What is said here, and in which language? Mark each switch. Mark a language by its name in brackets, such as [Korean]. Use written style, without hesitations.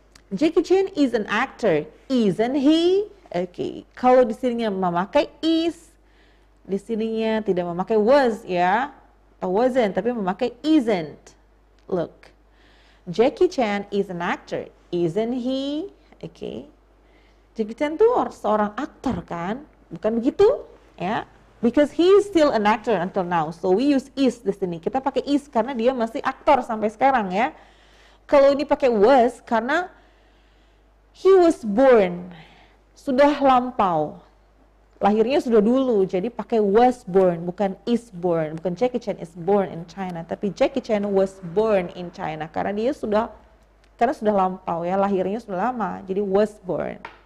[English] Jackie Chan is an actor, isn't he? [Indonesian] Okay, kalau di sininya memakai is, di sininya tidak memakai was ya, atau wasn't, tapi memakai isn't. [English] Look, Jackie Chan is an actor, isn't he? Okay. [Indonesian] Jackie Chan tuh seorang aktor kan? Bukan begitu? Ya. [English] Because he is still an actor until now. So we use is [Indonesian] di sini. Kita pakai is karena dia masih aktor sampai sekarang ya. Kalau ini pakai was karena [English] he was born. [Indonesian] Sudah lampau. Lahirnya sudah dulu. Jadi pakai was born, bukan is born. Bukan [English] Jackie Chan is born in China, [Indonesian] tapi [English] Jackie Chan was born in China [Indonesian] karena dia sudah karena sudah lampau ya, lahirnya sudah lama. Jadi was born.